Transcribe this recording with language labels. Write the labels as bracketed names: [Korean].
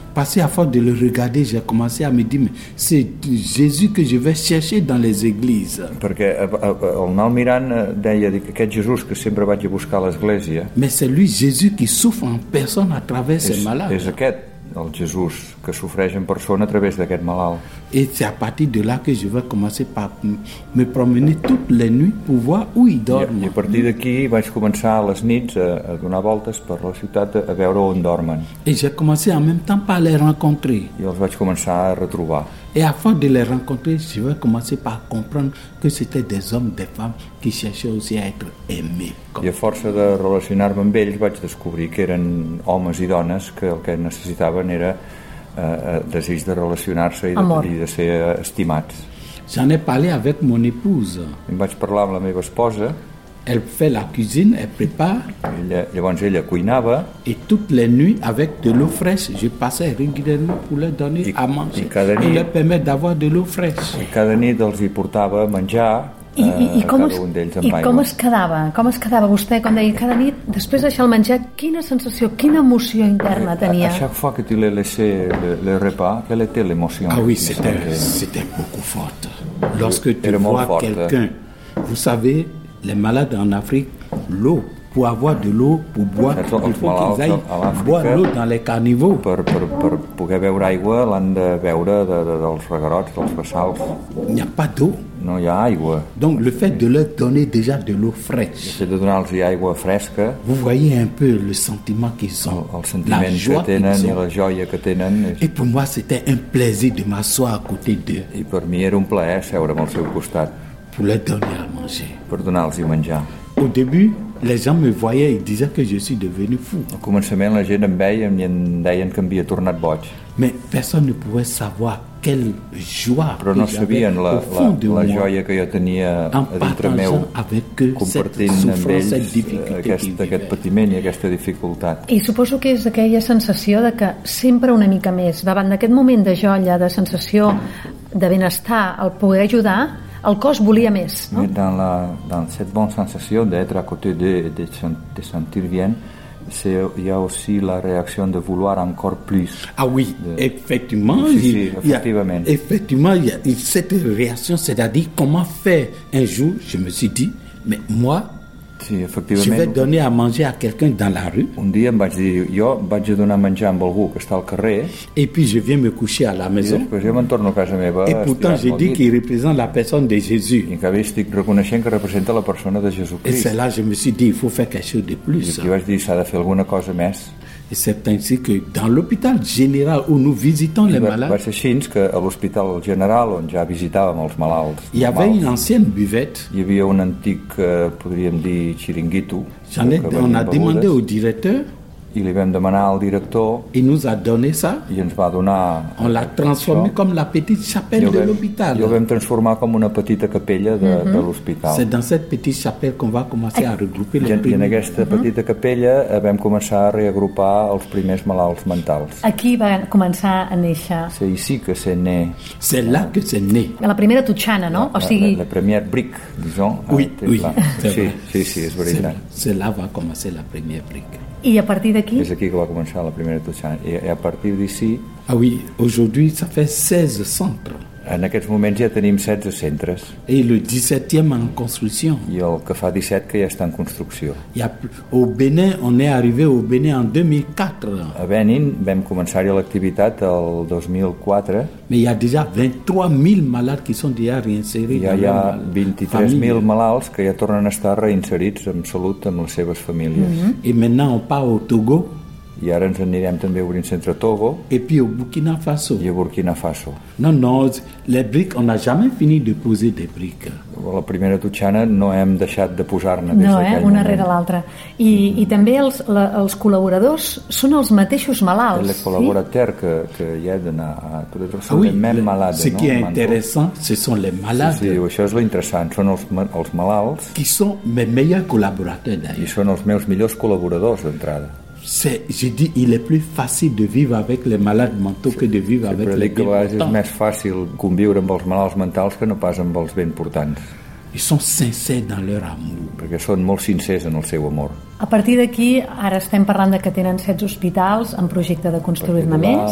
[French] Passé à force de le regarder, j'ai commencé à me dire c'est Jésus que je vais chercher dans les églises. [Catalan] Perquè el anar mirant deia que aquest Jesús que sempre vaig a buscar a l'església. [French] Mais c'est lui Jésus qui souffre en personne à travers ces malades. [Catalan] És aquest el Jesús que sofreix en persona a través d'aquest malalt. [French] Et c'est à partir de là que je vais commencer par me promener toutes les nuits pour voir où il dorme. [Catalan] I a partir d'aquí vaig començar a les nits a donar voltes per la ciutat a veure on dormen. [French] Et j'ai commencé en même temps par les rencontrer. [Catalan] I els vaig començar a retrobar. [French] Et à force de les rencontrer, je vais commencer par comprendre que c'était des hommes, des femmes qui cherchaient aussi à être aimés. [Catalan] I a força de relacionar-me amb ells vaig descobrir que eren homes i dones que el que necessitaven era desig de relacionar-se i de ser estimats. [French] J'en ai parlé avec mon épouse. [Catalan] Em vaig parlar amb la meva esposa. [French] Elle fait la cuisine, elle prépare. [Catalan] Ella, llavors ella cuinava. [French] Et toutes les nuits, avec de l'eau fraîche, je passais régulièrement pour leur donner à manger. [Catalan] I cada nit, [French] et leur permettre d'avoir de l'eau fraîche. [Catalan] I cada nit els hi portava menjar. Com es quedava vostè quan deia cada nit després d'aixar el menjar, quina sensació, quina emoció interna tenia? [French] A chaque fois que tu l'as laissé le repas, quelle était l'émotion? Ah oui, c'était beaucoup forte. Lorsque tu vois quelqu'un, vous savez, les malades en Afrique, l'eau, pour avoir de l'eau, pour boire, [Catalan] saps, [French] il faut qu'ils aillent boire l'eau dans les carnivaux. [Catalan] Per poder beure aigua, l'han de beure dels regarots, dels vessals. [French] Il n'y a pas d'eau. [Catalan] No hi ha aigua. [French] Donc le fait de leur donner déjà de l'eau fraîche. [Catalan] De donar-los aigua fresca. [French] Vous voyez un peu le sentiment qu'ils ont. [Catalan] El sentiment que tenen i la joia que tenen. [French] Et pour moi c'était un plaisir de m'asseoir à côté d'eux. [Catalan] I per mi era un plaer seure'm al seu costat. [French] Pour leur donner à manger. [Catalan] Per donar-los menjar. [French] Au début, les gens me voyaient et disaient que je suis devenu fou. [Catalan] Al començament la gent em veia i em deien que m'havia tornat boig. [French] Mais personne ne pouvait savoir quelle joie. [Catalan] Però no sabien la joia que jo tenia dintre meu, compartint amb ells aquest patiment i aquesta dificultat. I suposo que és aquella sensació de que sempre una mica més, davant d'aquest moment de joia, de sensació de benestar, el poder ajudar, el cos volia més. No? [French] Dans cette bonne sensació d'être à côté de sentir bien, [Catalan] hi ha [French] aussi la reacció de vouloir encore plus. Ah oui, effectivement. Sí, effectivement. Effectivement, cette réaction, c'est-à-dire comment faire. Un jour, je me suis dit, mais moi, [Catalan] sí, effectivament, [French] je vais donner à manger à quelqu'un dans la rue. [Catalan] Un dia em vaig dir, jo vaig a donar menjar amb algú que està al carrer. [French] Et puis je viens me coucher à la maison. [Catalan] I després jo me'n torno a casa meva. [French] Et pourtant, j'ai dit qu'il représente la personne de Jésus. [Catalan] I encara estic reconeixent que representa la persona de Jésus-Christ. [French] Et c'est là, je me suis dit, il faut faire quelque chose de plus. [Catalan] I aquí vaig dir, s'ha de fer alguna cosa més. [French] Et c'est ainsi que dans l'hôpital général où nous visitons les malades. [Catalan] Va ser així que a l'hospital general on ja visitàvem els malalts. Hi havia una [French] ancienne buvette. [Catalan] Hi havia un antic, podríem dir, xiringuito. [French] On a demandé au directeur. [Catalan] I li vam demanar al director. [French] Il nous a donné ça. [Catalan] I ens va donar. [French] On l'a transformé comme la petite chapelle de l'hôpital. [Catalan] I ho vam transformar com una petita capella de l'hospital. [French] C'est dans cette petite chapelle qu'on va commencer à regrouper les [Catalan] primers. I en aquesta petita capella vam començar a reagrupar els primers malalts mentals. Aquí va començar a néixer. Sí, sí que se né. [French] C'est là que se né. [Catalan] La primera totxana, no? O sigui, [French] la première brique, disons. Oui, oui. [Catalan] Sí, és veritat. [French] C'est là va commencer la première brique. [Catalan] I a partir d'aquí? És aquí que va començar la primera toxana. I a partir d'ici... [French] Ah oui, aujourd'hui ça fait 16 centres. [Catalan] En aquests moments ja tenim 16 centres. [French] Et le 17e en construction. [Catalan] I el que fa 17 que ja està en construcció. [French] I au Bénin, on est arrivé au Bénin en 2004. [Catalan] A Benin vam començar-hi l'activitat el 2004. [French] Mais il y a déjà 23.000 malades qui sont déjà réinsérés. [Catalan] Ja hi ha 23.000 malalts que ja tornen a estar reinserits amb salut amb les seves famílies. [French] I maintenant on part au Togo. [Catalan] I ara ens anirem també a obrir centre a Togo. [French] Et puis au Burkina Faso. [Catalan] I a Burkina Faso. [French] Non, non, les briques, on n'a jamais fini de poser des briques. [Catalan] La primera totxana no hem deixat de posar-ne. No, una rere l'altra. I també els col·laboradors són els mateixos malalts. El col·laborateur que hi ha d'anar a totes les coses, també hem malalt. [French] Ce qui est intéressant, ce sont les malades. [Catalan] Sí, això és l'interessant, són els malalts. [French] Qui sont mes meilleurs collaborateurs, d'ailleurs. [Catalan] I són els meus millors col·laboradors, d'entrada. [French] J'ai dit, il est plus facile de vivre avec les malades mentaux que de vivre avec les bien portants. [Catalan] És més fàcil conviure amb els malalts mentals que no pas amb els ben portants. [French] Ils sont sincères dans leur amour. [Catalan] Perquè són molt sincers en el seu amor. A partir d'aquí, ara estem parlant de que tenen 16 hospitals en projecte de construir-ne més.